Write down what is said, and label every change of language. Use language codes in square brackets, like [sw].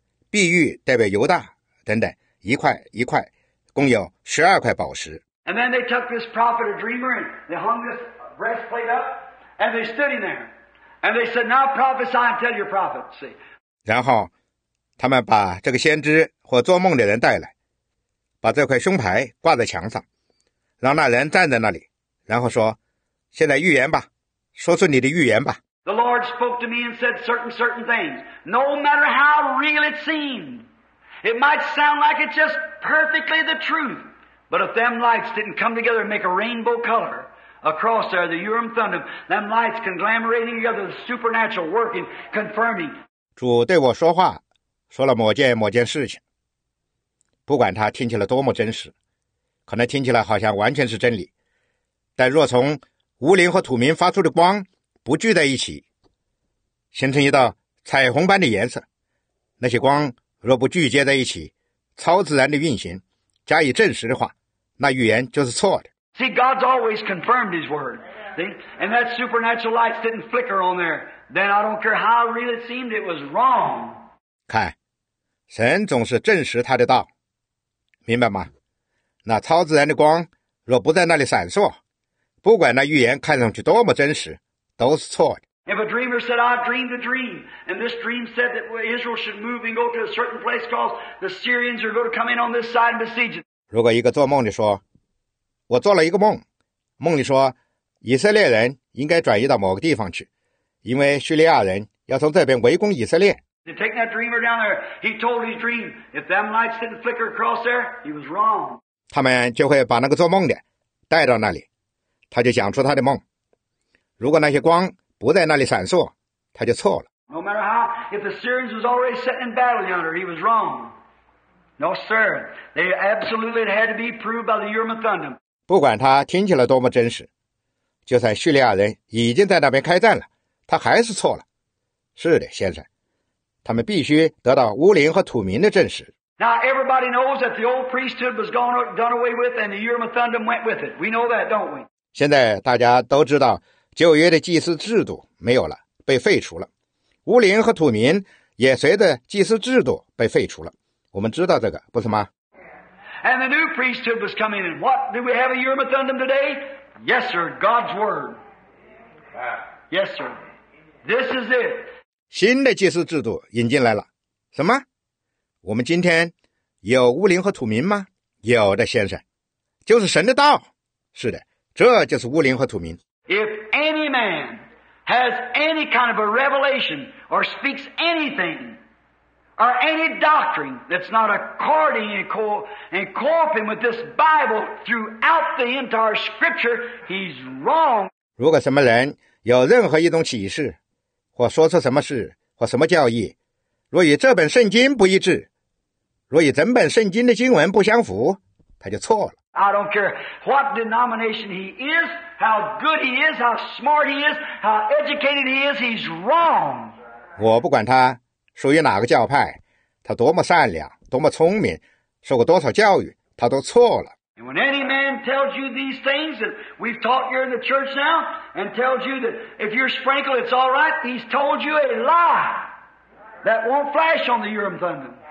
[zh] 碧玉代表犹大等等，一块一块，共有12块宝石。 [en] And then they took this prophet, a dreamer, and they hung this breastplate up, and they stood in there, and they said, "Now prophesy and tell your prophet." See. [zh] 然后，他们把这个先知或做梦的人带来。把这块胸牌挂在墙上，让那人站在那里，然后说，现在预言吧，说出你的预言吧。 [en] The Lord spoke to me and said certain things. No matter how real it seemed, it might sound like it's just perfectly the truth. But if them lights didn't come together and make a rainbow color across there, the Urim Thummim, them lights conglomerating together, the supernatural working, confirming. [zh] 主对我说话，说了某件事情。不管它听起来多么真实，可能听起来好像完全是真理，但若从乌灵和土明发出的光不聚在一起，形成一道彩虹般的颜色，那些光若不聚接在一起，超自然的运行加以证实的话，那预言就是错的。 [en] See, God's always confirmed His word. See, and that supernatural light didn't flicker on there. Then I don't care how real it seemed, it was wrong. [zh] 看，神总是证实他的道。明白吗？那超自然的光若不在那里闪烁，不管那预言看上去多么真实，都是错的。 [en] If a dreamer said, I dreamed a dream, and this dream said that Israel should move and go to a certain place called the Syrians are going to come in on this side and besiege it. [zh] 如果一个做梦的说，我做了一个梦，梦里说以色列人应该转移到某个地方去，因为叙利亚人要从这边围攻以色列。 [en] They take that dreamer down there. He told his dream. If them lights didn't flicker across there, he was wrong. [zh] 他们就会把那个做梦的带到那里，他就讲出他的梦。如果那些光不在那里闪烁，他就错了。 [en] No matter how, if the Syrians was already sitting in battle yonder, he was wrong. No, sir. They absolutely had to be proved by the Urim and Thummim. [zh] 不管他听起来多么真实，就算叙利亚人已经在那边开战了，他还是错了。是的，先生。他们必须得到乌灵和土民的证实。 [en] Now everybody knows that the old priesthood was gone done away with, and the Urim and Thummim went with it. We know that, don't we? [zh] 现在大家都知道旧约的祭司制度没有了，被废除了。乌灵和土民也随着祭司制度被废除了。我们知道这个，不是吗 [en] ？And the new priesthood was coming in. What do we have a Urim and Thummim today? Yes, sir. God's word. Yes, sir. This is it. [zh] 新的祭司制度引进来了，什么？我们今天有乌灵和土民吗？有的，先生，就是神的道。是的，这就是乌灵和土民。 [en] If any man has any kind of a revelation or speaks anything or any doctrine that's not according and cooperating with this Bible throughout the entire Scripture, he's wrong. [zh] 如果什么人有任何一种启示，或说出什么事，或什么教义，若与这本圣经不一致，若与整本圣经的经文不相符，他就错了。 [en] I don't care what denomination he is, how good he is, how smart he is, how educated he is, he's wrong. [zh] 我不管他属于哪个教派，他多么善良，多么聪明，受过多少教育，他都错了。 [en] And when any man tells you these things that we've taught here in the church now, and tells you that if you're sprinkled, it's all right, he's told you a lie that won't flash on the Urim Thummim.